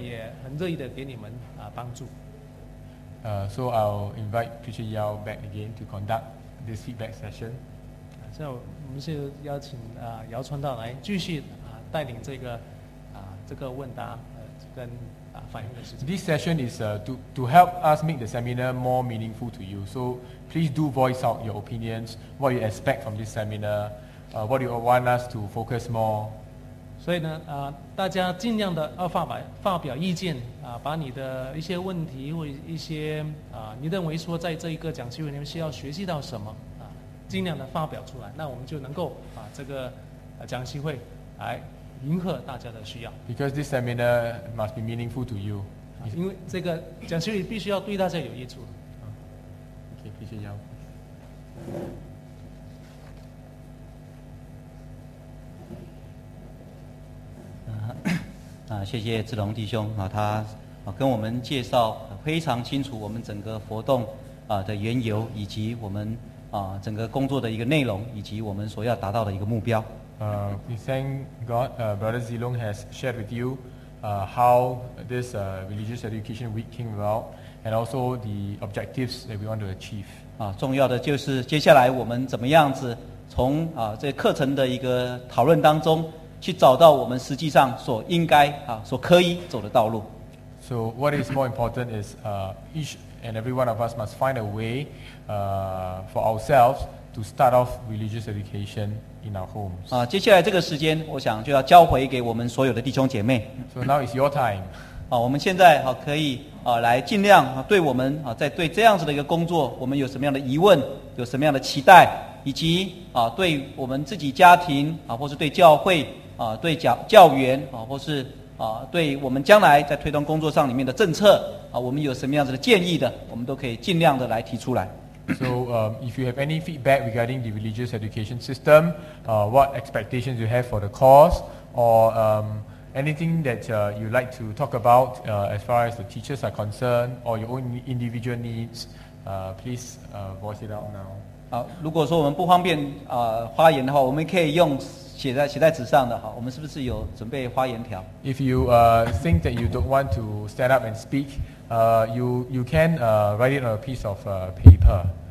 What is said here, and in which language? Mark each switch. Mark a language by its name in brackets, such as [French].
[Chinese] 希望做父母做家长的能够自助，那么教会也很乐意的给你们帮助。 [English] So I'll invite Preacher Yao back again to conduct this feedback session. [Chinese] 现在我们是邀请姚传道来继续。带领这个问答跟反应的事情。 [English] This session is to help us make the seminar more meaningful to you. So please do voice out your opinions, what you expect from this seminar, what you want us to focus more. [Chinese] 所以呢，大家尽量的发表意见，把你的一些问题或一些你认为说在这一个讲习会里面需要学习到什么，尽量的发表出来，那我们就能够把这个讲习会来。迎合大家的需要。 [English] Because this seminar must be meaningful to you. [Chinese] 因为这个讲学语必须要对大家有益处。 [English] OK, [Chinese] 谢谢姚。谢谢志龙弟兄啊，他跟我们介绍非常清楚我们整个活动的缘由，以及我们整个工作的一个内容，以及我们所要达到的一个目标。 [English] We thank God, Brother Zilong has shared with you how this religious education week came about, and also the objectives that we want to achieve. [Chinese] 重要的就是接下来我们怎么样子从这课程的一个讨论当中，去找到我们实际上所应该所可以走的道路。 [English] So what is more important is each and every one of us must find a way for ourselves to start off religious education in our homes. [Chinese] 接下来这个时间我想就要交回给我们所有的弟兄姐妹。 [English] So now is your time. [Chinese] 我们现在可以来尽量对我们在对这样子的一个工作，我们有什么样的疑问，有什么样的期待，以及对我们自己家庭或是对教会对教员或是对我们将来在推动工作上里面的政策我们有什么样子的建议的，我们都可以尽量的来提出来。 [English] So, if you have any feedback regarding the religious education system, what expectations you have for the course, or anything that you'd like to talk about as far as the teachers are concerned, or your own individual needs, please voice it out now. [Chinese] 如果说我们不方便发言的话，我们可以用写在纸上的哈，我们是不是有准备发言条 [English] ？If you think that you don't want to stand up and speak, you can write it on a piece of paper.